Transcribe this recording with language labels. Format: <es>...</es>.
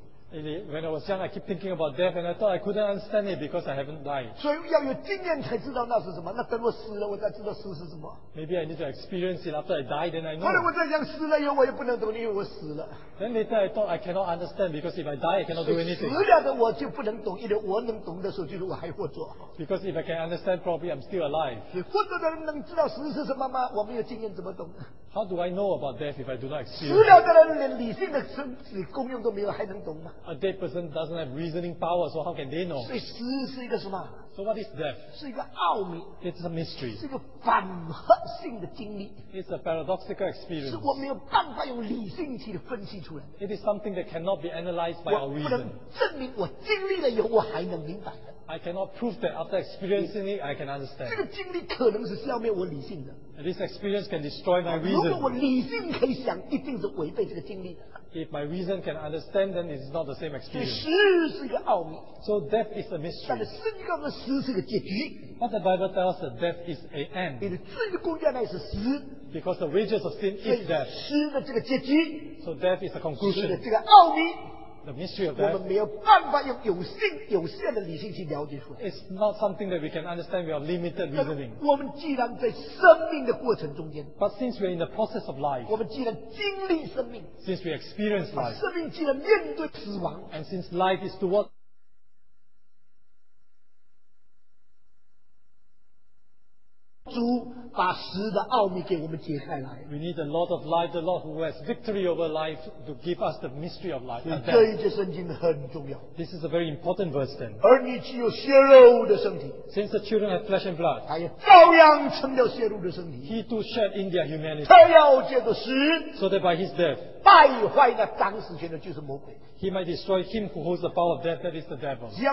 <en>When I was young, I keep thinking about death, and I thought I couldn't understand it because I haven't died.</en> <zh>所以要有经验才知道那是什么。那等我死了，我才知道死是什么。</zh> <en>Maybe I need to experience it after I die, then I know.</en> <zh>后来我在想死了以后，我也不能懂，因为我死了。</zh> <en>Then later I thought I cannot understand because if I die, I cannot do anything.</en> <zh>死了的我就不能懂，因为我能懂的时候就是我还活着。</zh> <en>Because if I can understand properly, I'm still alive.</en> <zh>活着的人能知道死是什么吗？我没有经验怎么懂？</zh> <en>How do I know about death if I do not experience?</en> <zh>死了的人连理性的身体功用都没有，还能懂吗？</zh> <en>A dead person doesn't have reasoning power, so how can they know?</en> <zh>所以死是一个什么？</zh> <en>So what is death?</en> <zh>是一个奥秘。</zh> <en>It's a mystery.</en> <zh>是一个反合性的经历。</zh> <en>It's a paradoxical experience.</en> <zh>是我没有办法用理性去分析出来。</zh> <en>It is something that cannot be analyzed by our reason.</en> <zh>我不能证明我经历了以后我还能明白的。</zh> <en>I cannot prove that after experiencing it, I can understand.</en> <zh>这个经历可能是消灭我理性的。</zh> <en>This experience can destroy my reason.</en> <zh>如果我理性可以想，一定是违背这个经历的。</zh> <en>If my reason can understand, then it is not the same experience.</en> <zh>死是一个奥秘。</zh> <en>So death is a mystery.</en> <zh>但是圣经告诉我们死是个结局。</zh> <en>But the Bible tells us that death is an end.</en> <zh>你的罪的公价乃是死。</zh> <en>Because the wages of sin is death.</en> <zh>死的这个结局。</zh> <en>So death is a conclusion.</en> <zh>死的这个奥秘。</zh> <en>The mystery of death,</en> <zh>我们没有办法用有限的理性去了解出来。</zh> <en>It's not something that we can understand with our limited reasoning.</en> <zh>我们既然在生命的过程中间,</zh> <en>but since we are in the process of life,</en> <zh>我们既然经历生命,</zh> <en>since we experience life,</en> <zh>生命既然面对死亡,</zh> <en>and since life is towards we need the Lord of life, the Lord who has victory over life, to give us the mystery of life. This is a very important verse then. Since the children have flesh and blood, he too shed in their humanity, so that by his death,</en> <zh>败坏那掌死权的就是魔鬼。</zh> <en>He might destroy him who holds the power of death, that is the devil.</en>